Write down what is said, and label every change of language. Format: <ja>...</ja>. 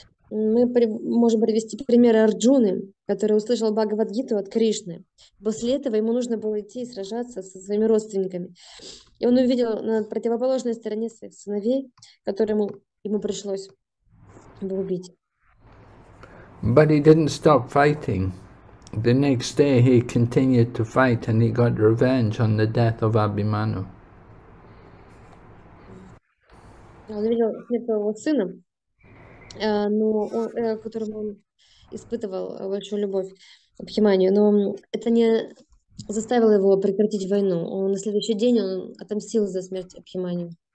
<ru>Мы можем привести пример Арджуны, который услышал Бхагавад Гиту от Кришны. После этого ему нужно было идти и сражаться со своими родственниками. И он увидел на противоположной стороне своих сыновей, которым ему пришлось убить.</ru> <en>But he didn't stop fighting. The next day he continued to fight and he got revenge on the death of Abhimanyu.</en> <ru>Он увидел смерть своего сына, которому он испытывал большую любовь, Абхиманию, но это не заставило его прекратить войну. На следующий день он отомстил за смерть Абхиманию.</ru>